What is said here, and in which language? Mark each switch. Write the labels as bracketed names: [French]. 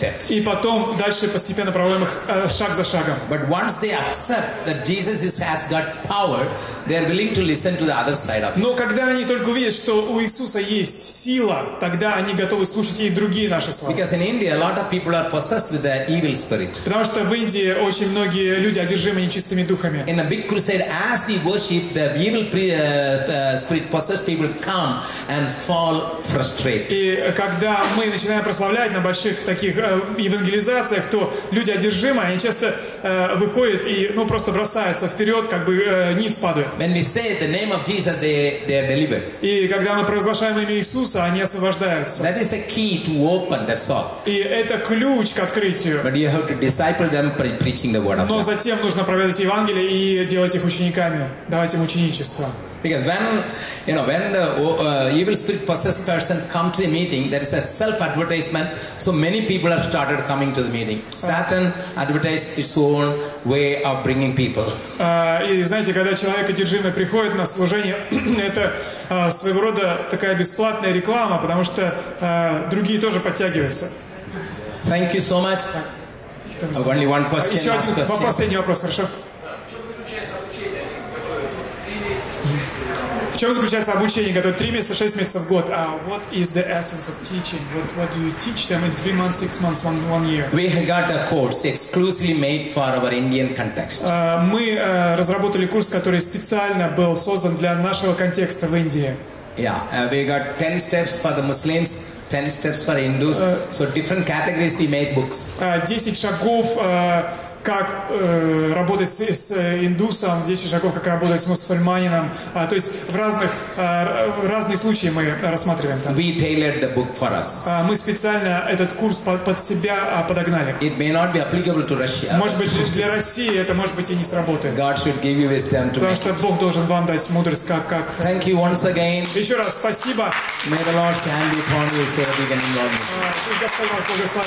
[Russian] И потом дальше постепенно проводим их шаг за шагом. [English] But once they accept that Jesus has got power, they are willing to listen to the other side of it. [Russian] Но когда они только увидят, что у Иисуса есть сила, тогда они готовы слушать и другие наши слова. [English] Because in India a lot of people are possessed with the evil spirit. [Russian] Потому что в Индии очень многие люди одержимы нечистыми духами. [English] In a big crusade, as we worship, the evil spirit possessed people come and fall frustrated. [Russian] И когда мы начинаем прославлять на больших таких евангелизациях, то люди одержимы, они часто выходят и просто бросаются вперед, как бы ниц падают. [English] When we say the name of Jesus, they are delivered. [Russian] И когда мы провозглашаем имя Иисуса, они освобождаются. [English] That is the key to open the soul. [Russian] И это ключ к открытию. [English] But you have to disciple them preaching the word of God. [Russian] Но затем нужно проповедовать Евангелие и делать их учениками, давать им ученичество. [English] Because when, you know, when the evil spirit possessed person come to the meeting, there is a self-advertisement. So many people have started coming to the meeting. Satan advertised its own way of bringing people. [Russian] И знаете, когда человек одержимый приходит на служение, это своего рода такая бесплатная реклама, потому что другие тоже подтягиваются. [English] Thank you so much. Only one question. [Russian] Еще один вопрос, последний вопрос, хорошо? В чем заключается обучение, которое 3 месяца, 6 месяцев в год? [English] What is the essence of teaching? What do you teach them in 3 months, 6 months, 1 year? We got a course exclusively made for our Indian context. [Russian] Мы разработали курс, который специально был создан для нашего контекста в Индии. [English] Yeah, we got 10 steps for the Muslims, 10 steps for Hindus. So different categories we made books. [Russian] 10 шагов... как работать с индусом, 10 шагов, как работать с мусульманином. То есть в разных разные случаи мы рассматриваем там. [English] We tailored the book for us. [Russian] Мы специально этот курс под себя подогнали. [English] It may not be applicable to Russia. [Russian] Может быть, для России это может быть и не сработает. [English] God should give you wisdom to [Russian] потому что Бог должен вам дать мудрость, как... [English] Thank you once again. [Russian] Еще раз спасибо. [English] May the Lord's hand be upon you so that you can enjoy